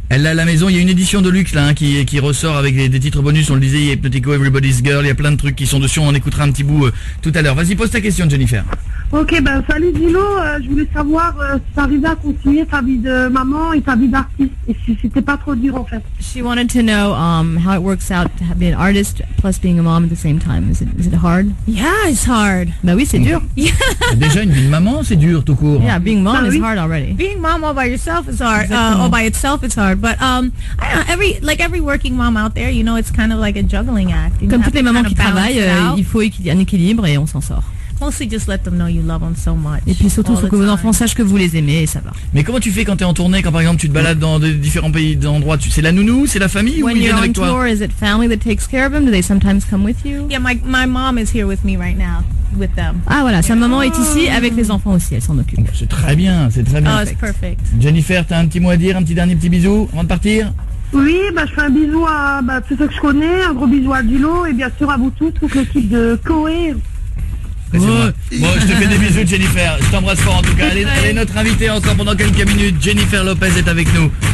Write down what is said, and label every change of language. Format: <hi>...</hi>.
<fr>Elle l'a à la maison, il y a une édition de luxe là hein, qui ressort avec des titres bonus. On le disait, il y a Hypnotico, Everybody's Girl, il y a plein de trucs qui sont dessus. On écoutera un petit bout tout à l'heure. Vas-y, pose ta question Jennifer. Ok, ben salut Gillo, je voulais savoir si t'arrivais à continuer ta vie de maman et ta vie d'artiste, et si c'était pas trop dur en fait.</fr> <en>She wanted to know how it works out to be an artist plus being a mom at the same time. Is it hard? Yeah, it's hard.</en> <fr>Ben oui, c'est dur. Déjà une vie de maman, c'est dur tout court.</fr> <en>Yeah, being mom is hard already. Being mom all by yourself is hard. All by itself is hard. But every working mom out there, you know, it's kind of like a juggling act.</en> <fr>Comme toutes les mamans qui travaillent, il faut un équilibre et on s'en sort.</fr> <en>mostly just let them know you love them so much.</en> <fr>Et puis surtout, faut que vos enfants sachent que vous les aimez et ça va. Mais comment tu fais quand t'es en tournée, quand par exemple tu te balades dans des différents pays, d'endroits, c'est la nounou, c'est la famille</fr> <en>when</en> <fr>ou ils viennent avec</fr> <en>tour,</en> <fr>toi?</fr> <en>When you're on tour, is it family that takes care of them? Do they sometimes come with you? Yeah, my mom is here with me right now. With them.</en> <fr>Ah voilà, sa maman est ici avec les enfants aussi, elle s'en occupe. C'est très bien, c'est très bien.</fr> <en>Oh, it's perfect.</en> <fr>Jennifer, t'as un petit mot à dire, un petit dernier petit bisou avant de partir? Oui, bah, je fais un bisou à tous ceux que je connais, un gros bisou à Dilo et bien sûr à vous tous, toute l'équipe de Koé. Bon, je te fais des bisous Jennifer, je t'embrasse fort en tout cas. Elle est notre invitée encore pendant quelques minutes, Jennifer Lopez est avec nous.</fr>